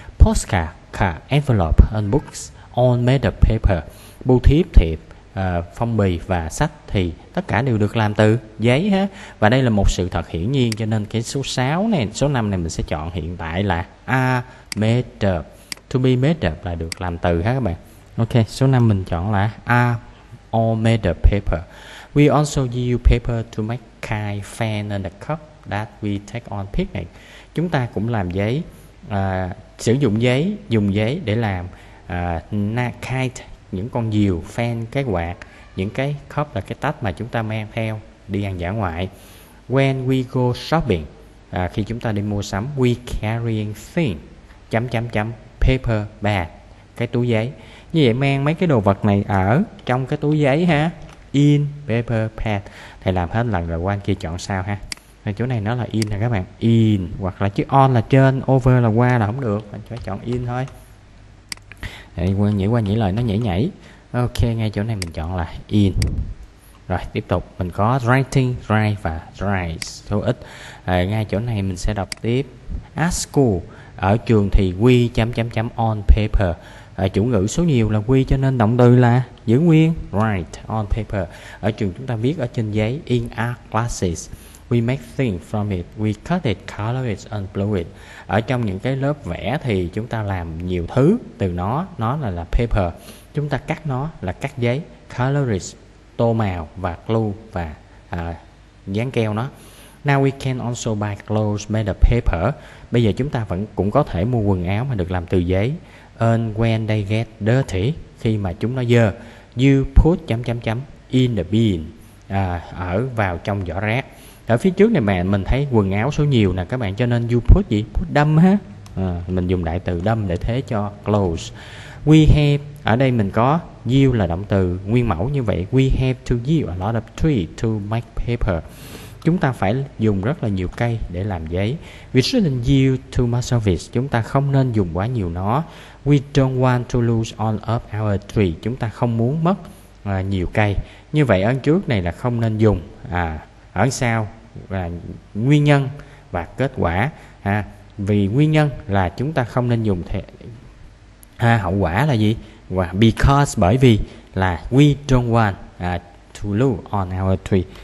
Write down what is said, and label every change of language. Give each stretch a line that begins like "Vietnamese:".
English: Postcard, card, envelope and books all made of paper.
Vietnamese: Bưu thiếp, thiệp, phong bì và sách thì tất cả đều được làm từ giấy hết. Và đây là một sự thật hiển nhiên, cho nên cái số 6 này, số 5 này mình sẽ chọn hiện tại là
English: are made of. To be made up
Vietnamese: là được làm từ ha các bạn. Ok, số 5 mình chọn là
English: are all made of paper. We also use paper to make kite, fan and a cup that we take on picnic.
Vietnamese: Chúng ta cũng làm giấy, sử dụng giấy, dùng giấy để làm kite, những con diều, fan, cái quạt, những cái cup là cái tách mà chúng ta mang theo đi ăn dã ngoại.
English: When we go shopping,
Vietnamese: khi chúng ta đi mua sắm,
English: we carrying thing, paper bag,
Vietnamese: cái túi giấy. Như vậy mang mấy cái đồ vật này ở trong cái túi giấy ha.
English: In paper bag.
Vietnamese: Thầy làm hết lần rồi qua anh kia chọn sao ha. Thì chỗ này nó là in nè các bạn. In hoặc là chữ on là trên, over là qua là không được. Anh phải chọn in thôi. Để nhảy qua nhảy lời nó nhảy nhảy. Ok, ngay chỗ này mình chọn là in. Rồi, tiếp tục. Mình có writing, write và write. Số ít. Ngay chỗ này mình sẽ đọc tiếp.
English: At school.
Vietnamese: Ở trường thì
English: we on paper.
Vietnamese: Chủ ngữ số nhiều là we, cho nên động từ là giữ nguyên
English: write on paper.
Vietnamese: Ở trường chúng ta viết ở trên giấy.
English: In our classes we make things from it. We cut it, color it and blow it.
Vietnamese: Ở trong những cái lớp vẽ thì chúng ta làm nhiều thứ từ nó. Nó là paper. Chúng ta cắt nó là cắt giấy.
English: Color it,
Vietnamese: tô màu và glue và dán keo nó.
English: Now we can also buy clothes made of paper.
Vietnamese: Bây giờ chúng ta vẫn cũng có thể mua quần áo mà được làm từ giấy.
English: And when they get dirty,
Vietnamese: khi mà chúng nó dơ,
English: you put in the bin,
Vietnamese: ở vào trong giỏ rác. Ở phía trước này mình thấy quần áo số nhiều nè các bạn, cho nên you put gì? Put đâm ha. Mình dùng đại từ đâm để thế cho clothes. We have, ở đây mình có you là động từ nguyên mẫu như vậy.
English: We have to use a lot of trees to make paper.
Vietnamese: Chúng ta phải dùng rất là nhiều cây để làm giấy.
English: We shouldn't use too much of it.
Vietnamese: Chúng ta không nên dùng quá nhiều nó.
English: We don't want to lose all of our tree.
Vietnamese: Chúng ta không muốn mất nhiều cây. Như vậy ở trước này là không nên dùng. Ở sau là nguyên nhân và kết quả. Vì nguyên nhân là chúng ta không nên dùng. Hậu quả là gì?
English: Because,
Vietnamese: bởi vì là
English: we don't want to lose all our tree.